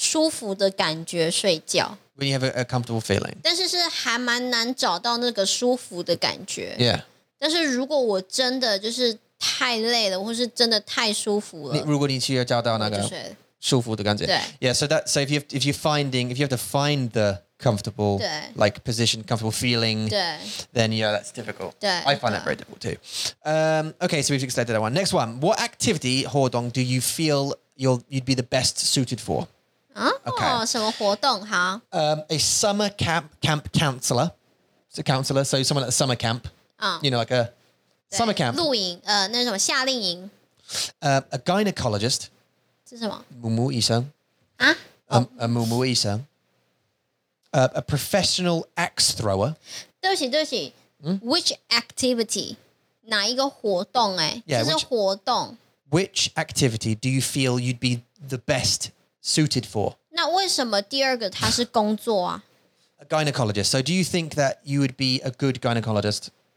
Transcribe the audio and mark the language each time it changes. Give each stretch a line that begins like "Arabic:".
Chinese: 就是我需要找一个舒服的感觉睡觉。
English: When you have a comfortable feeling.
Chinese: 但是还蛮难找到那个舒服的感觉。
English: Yeah.
Chinese: 但是如果我真的就是太累了，或是真的太舒服了。如果你需要找到那个。舒服的感觉.
English: Yeah, so that if you have to find the comfortable like position, comfortable feeling, then yeah, that's difficult. I find that very difficult too. Okay, so we've extended that one. Next one. What activity, Hodong, do you feel you'd be the best suited for? Okay. A summer camp counselor. So counselor, so someone at a summer camp. You know, like a summer camp.
Chinese: 露营,那什么夏令营.
English: A gynecologist.
Chinese: 是什么? 母母医生,
English: a professional axe thrower.
Chinese: 对不起,
English: which activity?
Chinese: 哪一个活动欸?
English: Yeah,
Chinese: 这是活动。
English: Which activity do you feel you'd be the best suited for?
Chinese: 那为什么第二个他是工作啊?
English: A gynecologist. So do you think that you would be a good gynecologist?